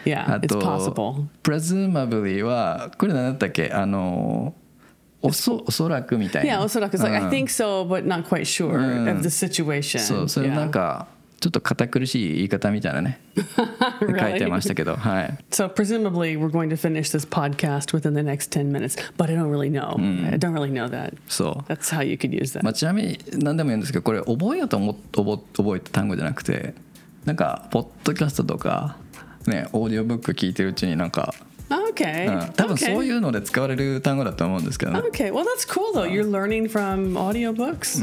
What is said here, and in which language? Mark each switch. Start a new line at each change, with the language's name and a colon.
English: Yeah, yeah. It's possible.
Japanese: Presumably はこれ何だったっけ、おそらくみたいな。
English: Yeah, おそらく。 It's like, I think so, but not quite sure of the situation.
Japanese: そう、それなんか。Yeah. ちょっと堅苦しい言い方みたいなね書いてましたけど、
English: really?
Japanese: はい。
English: So presumably we're going to finish this podcast within the next 10 minutes, but I don't really know.、うん、I don't really know that.
Japanese: そう。
English: That's how you could use that.
Japanese: まあ、ちなみに何でも言うんですけど、これ覚えようと思って覚えた単語じゃなくて、なんかポッドキャストとかね、オーディオブック聞いてるうちになんか。
English: Okay.
Japanese: 多分そういうので使われる単語だと思うんですけどね。
English: Okay. Well, that's cool though. You're learning from audiobooks.